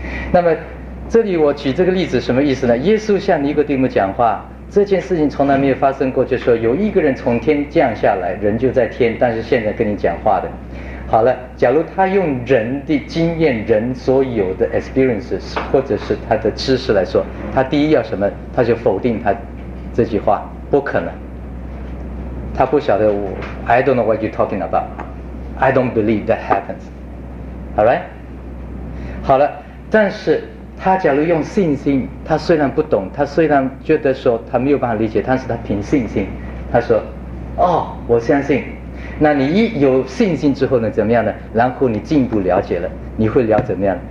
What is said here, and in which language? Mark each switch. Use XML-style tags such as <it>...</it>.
<zh>那么这里我举这个例子什么意思呢？耶稣向尼哥底母讲话，这件事情从来没有发生过，就说有一个人从天降下来，人就在天，但是现在跟你讲话的。好了，假如他用人的经验，人所有的 experiences 或者是他的知识来说，他第一要什么，他就否定他这句话，不可能。他不晓得我</zh> <en>I don't know what you're talking about, I don't believe that happens. All right?</en> <zh>好了，但是他假如用信心，他虽然不懂，他虽然觉得说他没有办法理解，但是他凭信心，他说哦，我相信。那你一有信心之后呢，怎么样呢？然后你进一步了解了，你会聊怎么样？</zh>